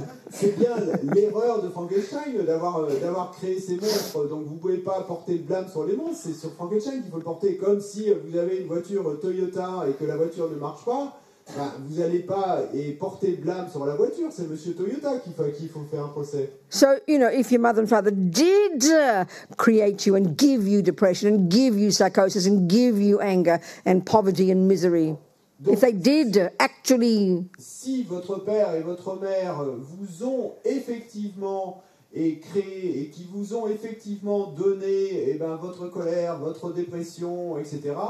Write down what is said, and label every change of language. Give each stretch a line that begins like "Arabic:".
French: C'est bien l'erreur de Frankenstein d'avoir créé ces monstres, donc vous ne pouvez pas porter le blâme sur les monstres, c'est sur Frankenstein qu'il faut le porter, comme si vous avez une voiture Toyota et que la voiture ne marche pas, ben, vous n'allez pas et porter le blâme sur la voiture, c'est Monsieur Toyota qu'il faut faire un procès.
English: So, you know, if your mother and father did create you and give you depression and give you psychosis and give you anger and poverty and misery...
French: Donc,
English: if they did actually,
French: si votre père et votre mère vous ont effectivement et créé et qui vous ont effectivement donné, eh ben, votre colère, votre dépression, etc.